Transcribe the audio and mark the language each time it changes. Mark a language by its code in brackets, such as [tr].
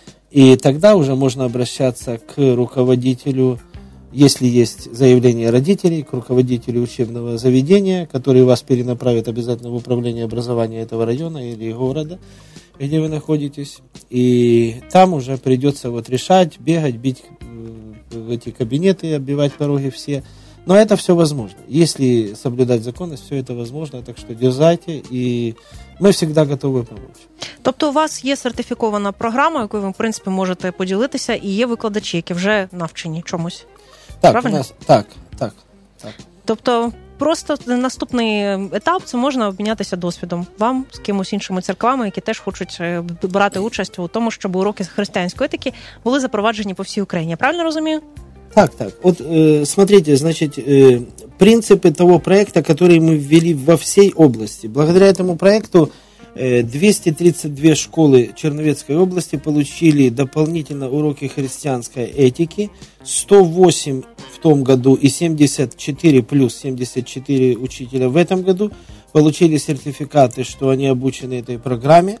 [ru] И тогда уже можно обращаться к руководителю, если есть заявление родителей, к руководителю учебного заведения, который вас перенаправит обязательно в управление образованием этого района или города, где вы находитесь. И там уже придется вот решать, бегать, бить в эти кабинеты, оббивать пороги все. Но это все возможно. Если соблюдать законность, все это возможно. Так что дерзайте, и мы всегда готовы помочь. [uk] Тобто у вас є сертифікована програма, якою ви, в принципі, можете поділитися, і є викладачі, які вже навчені чомусь. Так, правильно? Так. Тобто просто наступний етап – це можна обмінятися досвідом вам з кимось іншими церквами, які теж хочуть брати участь у тому, щоб уроки християнської етики були запроваджені по всій Україні. Я правильно розумію? Так. [ru] Вот смотрите, значит, принципы того проекта, который мы ввели во всей области. Благодаря этому проекту 232 школы Черновецкой области получили дополнительно уроки христианской этики. 108 в том году и 74 плюс 74 учителя в этом году получили сертификаты, что они обучены этой программе.